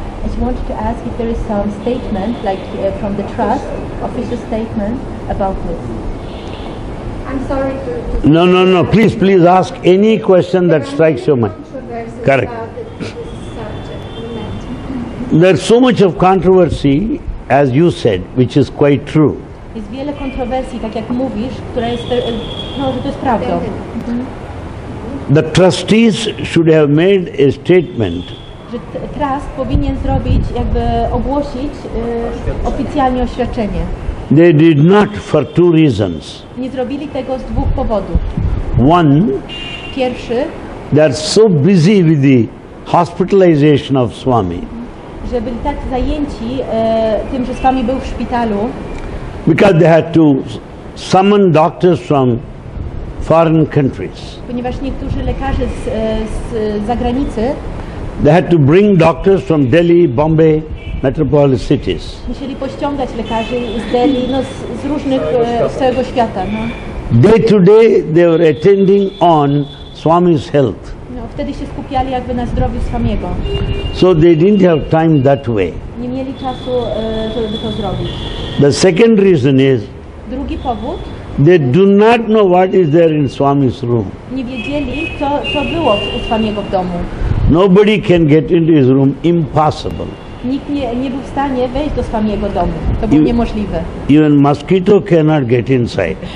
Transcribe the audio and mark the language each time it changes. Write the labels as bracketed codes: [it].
[en] And she wanted to ask if there is some statement, like from the trust, official statement about this. I'm sorry to... No. Please ask any question that strikes your mind. Correct. About there's so much of controversy, as you said, which is quite true. [pl] Jest wiele kontrowersji, tak jak mówisz, która jest, no, że to jest prawdą. [en] The trustees should have made a statement. [pl] Że trust powinien zrobić, jakby ogłosić oficjalnie oświadczenie. [en] They did not for two reasons. [pl] Nie zrobili tego z dwóch powodów. [en] One, [pl] pierwszy, [en] they are so busy with the hospitalization of Swami. [pl] Że byli tak zajęci tym, że Swami był w szpitalu. [en] Because they had to summon doctors from foreign countries. [pl] Ponieważ niektórzy lekarze z zagranicy. [en] They had to bring doctors from Delhi, Bombay, metropolitan cities. [pl] Musieli pościągać lekarzy z Delhi, no z różnych z całego świata. No. [en] Day to day they were attending on Swami's health. [pl] No, wtedy się skupiali jakby na zdrowiu Swamiego. [en] So they didn't have time that way. [pl] Nie mieli czasu, żeby to zrobić. [en] The second reason is, [pl] drugi powód, [en] they do not know what is there in Swami's room. [pl] Nie wiedzieli, co było u Swamiego w domu. Nobody can get into his room, impossible. Nikt nie był w stanie wejść do Swamiego domu. To było niemożliwe. [en] Even mosquito cannot get inside.